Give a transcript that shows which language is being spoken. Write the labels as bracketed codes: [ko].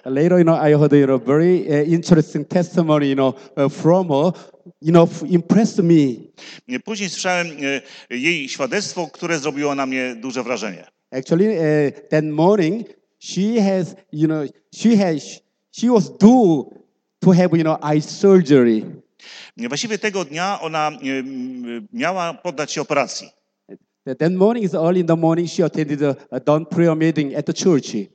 [en] Later, you know, I heard a very interesting testimony, you know, from her, you know, impressed me. [pl] Później słyszałem jej świadectwo, które zrobiło na mnie duże wrażenie. [en] Actually, that morning she has, you know, she was due to have, you know, eye surgery. [pl] Właściwie tego dnia ona miała poddać się operacji. [en] That morning is early in the morning. She attended a dawn prayer meeting at the church.